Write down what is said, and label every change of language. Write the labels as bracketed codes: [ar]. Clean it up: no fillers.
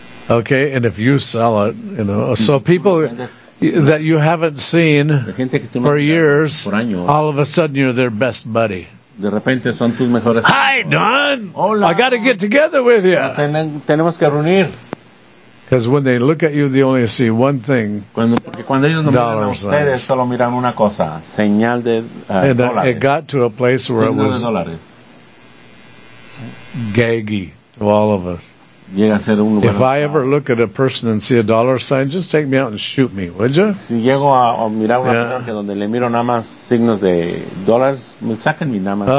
[en] Okay, and if you sell it, you know, so people that you haven't seen for years, all of a sudden you're their best buddy. [es] De repente son tus mejores. [en] Hi, Don. [es] Hola. [en] I got to get together with you. [es] Tenemos que reunir. [en] Because when they look at you, they only see one thing. [es] Cuando ellos no miran a ustedes, solo miran una cosa. Señal de dólares. [en] It got to a place where it was gaggy to all of us. [es] Llega a ser un lugar. [en] If I ever look at a person and see a dollar sign, just take me out and shoot me, would you? [es] Si llego a mirar una persona que donde le miro nada más signos de dólares, sáquenme nada más.